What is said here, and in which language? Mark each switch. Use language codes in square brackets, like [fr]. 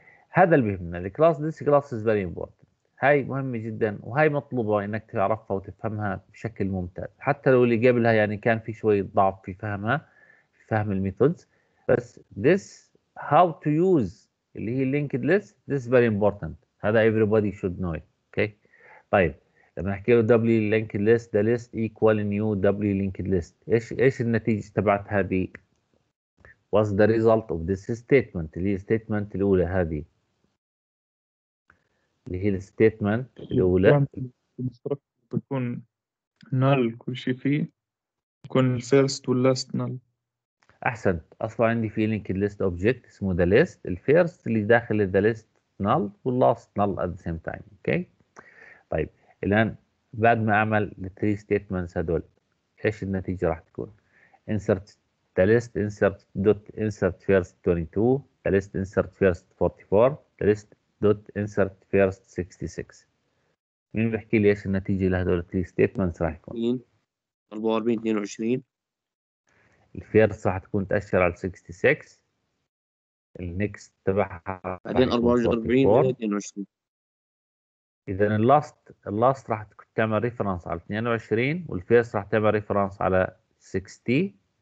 [ar] هذا اللي بيهمنا الكلاس، [en] this class is very important, [ar] هاي مهمة جدا وهاي مطلوبة انك تعرفها وتفهمها بشكل ممتاز، حتى لو اللي قبلها يعني كان في شوية ضعف في فهمها في فهم الميثودز، بس [en] this how to use [ar] اللي هي linked list [en] this very important، [ar] هذا [en] everybody should know it. Okay okay؟ طيب لما نحكي له doubly linked list the list equal new doubly linked list، [ar] ايش النتيجة تبعت هذه؟ [en] what's the result of this statement اللي هي statement الأولى هذه؟ [ar] اللي هي الستيتمنت الأولى. بيكون نال كل شيء فيه، يكون الفيرست واللاست نال. أحسنت. أصلا عندي في لينك الليست أوبجكت اسمه ذا ليست، الفيرست اللي داخل ذا ليست نال واللاست نال [en] At the same time. [ar] أوكي طيب، الآن بعد ما أعمل الثري ستيتمنتس هذول إيش النتيجة راح تكون؟ [en] insert the list insert dot insert first 22 the list insert first 44 the list dot insert first 66. [ar] مين بحكي لي إيش النتيجة لهذول الثري ستيتمنتس راح يكون؟ 42 22. الفيرست راح تكون تأشر على 66، النكست تبعها بعدين 44 22. إذا اللاست راح تعمل ريفرنس على 22 والفيرست راح تعمل ريفرنس على 66.